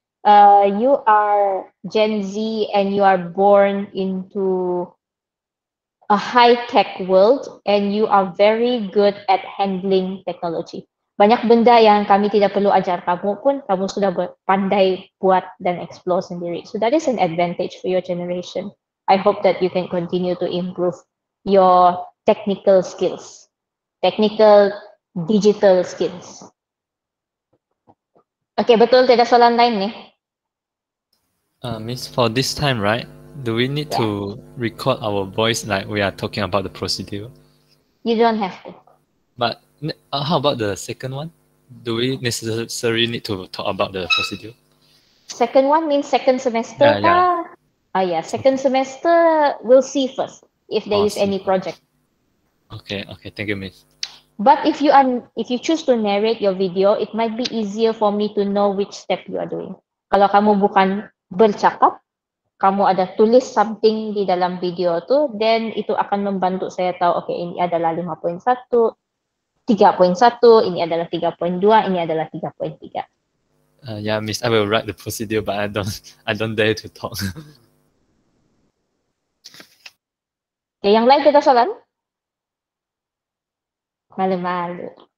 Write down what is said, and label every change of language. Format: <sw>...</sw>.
<en>You are Gen Z and you are born into a high-tech world and you are very good at handling technology.</en> <ms>Banyak benda yang kami tidak perlu ajar kamu pun, kamu sudah pandai buat dan explore sendiri.</ms> <en>So that is an advantage for your generation. I hope that you can continue to improve your technical skills, technical digital skills.</en> <ms>Okay, betul, tidak soalan lain nih.</ms> <en>Miss, for this time, right? Do we need to record our voice like we are talking about the procedure? You don't have to. But how about the second one? Do we necessarily need to talk about the procedure? Second one means second semester? Yeah, second semester, we'll see first if there is any project. Okay, thank you, Miss. But if you choose to narrate your video, it might be easier for me to know which step you are doing.</en> <ms>Kalau kamu bukan bercakap, kamu ada tulis something di dalam video tu, then itu akan membantu saya tahu, okay, ini adalah 5.1, 3.1, ini adalah 3.2, ini adalah 3.3.</ms> <en>Yeah, Miss, I will write the procedure, but I don't dare to talk.</en> <ms>Okay, yang lain kita soalan? Malu-malu.</ms>